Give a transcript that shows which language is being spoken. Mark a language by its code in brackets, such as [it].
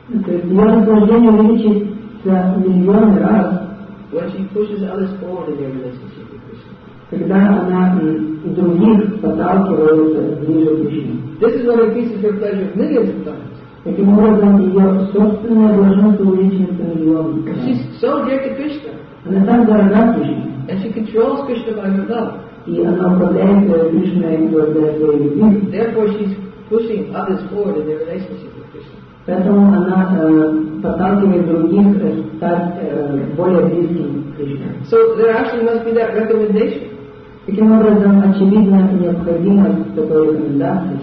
[ru] есть ее наслаждение увеличится миллион раз, [en] when she pushes others forward in their relationship with Krishna. [ru] Когда она других подталкивает ближе к Кришне. [en] This is what increases her pleasure millions of times. [ru] Таким образом, ее собственное блаженство увеличивается миллион раз. [en] She's so dear to Krishna. [ru] Она так дорога Кришне. [en] And she controls Krishna by her love. [ru] И она управляет Кришной благодаря своей любви. [en] Therefore, she's pushing others forward in their relationship with Krishna. [ru] Поэтому она подталкивает других стать более близким к Кришне. [en] So there actually must be that recommendation. [ru] Таким образом, очевидно, необходима такая рекомендация.